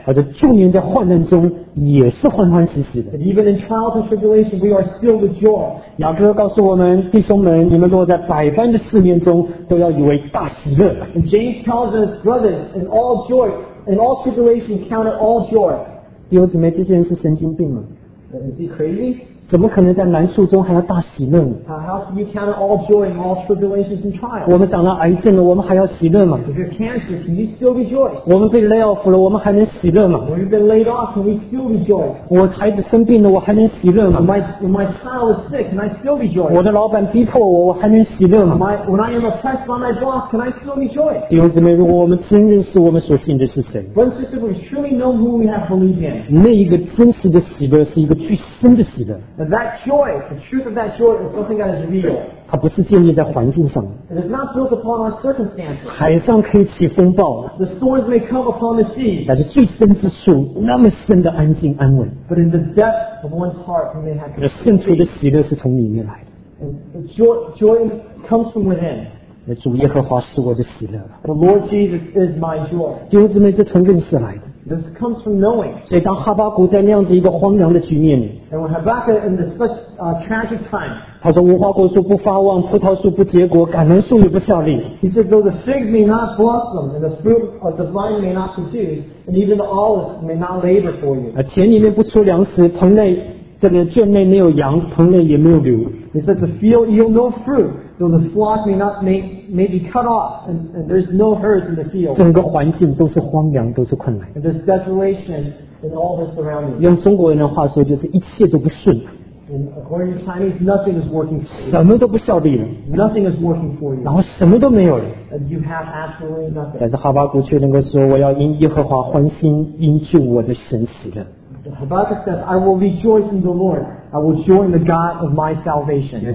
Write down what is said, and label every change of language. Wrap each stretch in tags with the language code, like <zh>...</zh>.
<zh>他说就连在患难中也是欢欢喜喜的。</zh> <en>But even in trials and tribulation, we are filled with joy.</en> <zh>雅各告诉我们，弟兄们，你们落在百般的试炼中，都要以为大喜乐。</zh> <en>And James tells us, brothers, in all joy. In all tribulation, count it all joy.</en> <zh>弟兄姊妹，这些人是神经病吗</zh> <en>？Is he crazy?</en> <zh>怎么可能在难处中还要大喜乐呢</zh> <en>？How can you count it all joy in all tribulations and trials?</en> <zh>我们长了癌症了，我们还要喜乐吗</zh> <en>？If you're cancer, can you still rejoice?</en> <zh>我们被 lay off 了，我们还能喜乐吗</zh> <en>？When you've been laid off, can we still rejoice?</en> <zh>我孩子生病了，我还能喜乐吗</zh> <en>？My child is sick, can I still rejoice?</en> <zh>我的老板逼迫我，我还能喜乐吗</zh> <en>？When I am oppressed by my boss, can I still rejoice?</en> <zh>弟兄姊妹，如果我们真认识我们所信的是谁</zh> <en>？When sisters, we truly know who we have believed in.</en> <zh>那一个真实的喜乐是一个巨深的喜乐。</zh> <en>And that joy, the truth of that joy is something that is real.</en> <zh>它不是建立在环境上。</zh> <en>It is not built upon our circumstances.</en> <zh>海上可以起风暴。</zh> <en>The storms may come upon the sea.</en> <zh>但是最深之处，那么深的安静安稳。</zh> <en>But in the depth of one's heart, we may have peace.</en> <zh>圣徒的喜乐是从里面来的。</zh> <en>And the joy comes from within.</en> <zh>主耶和华是我的喜乐。</zh> <en>The Lord Jesus is my joy.</en> <zh>弟兄姊妹，这从认识来的。</zh> <en>This comes from knowing.</en> <zh>所以当哈巴谷在那样子一个荒凉的局面里。</zh> <en>And when Habakkuk in this such a tragic time.</en> <zh>他说无花果树不发旺，葡萄树不结果，橄榄树也不效力。</zh> <en>He said though the fig may not blossom, and the fruit of the vine may not produce, and even the olives may not labor for you.</en> <zh>田里面不出粮食，棚内这个圈内没有羊，棚内也没有牛。</zh> <en>He said the field yield no fruit. So the flock may be cut off, and there's no herds in the field.</en> <zh>整个环境都是荒凉，都是困难。</zh> <en>And there's desolation in all the surroundings.</en> <zh>用中国人的话说，就是一切都不顺。</zh> <en>And according to Chinese, nothing is working.</en> <zh>什么都不效力了。</zh> <en>Nothing is working for you.</en> <zh>然后什么都没有了。</zh> <en>And you have absolutely nothing.</en> <zh>但是哈巴谷却能够说，我要因耶和华欢心，因救我的神喜乐。</zh> <en>Habakkuk says, I will rejoice in the Lord. I will joy in the God of my salvation.</en>